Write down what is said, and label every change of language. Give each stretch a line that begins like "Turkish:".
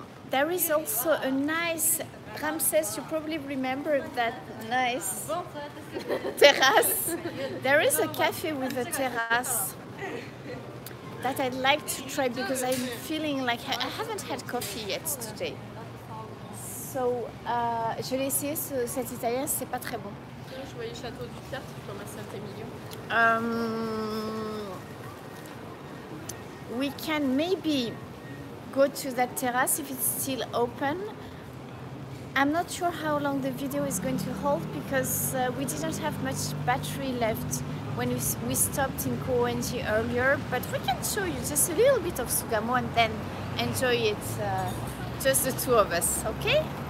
English: There is also a nice Ramsès, you probably remember that nice terrace. There is a cafe with a terrace that I'd like to try because I'm feeling like I haven't had coffee yet today.
French: So, je l'ai essayé, cet italien, c'est pas très bon. Je voyais Château du Tertre comme à Saint-Émilion.
English: We can maybe go to that terrace if it's still open. I'm not sure how long the video is going to hold because we didn't have much battery left when we stopped in Koenji earlier, but we can show you just a little bit of Sugamo and then enjoy it, just the two of us, okay?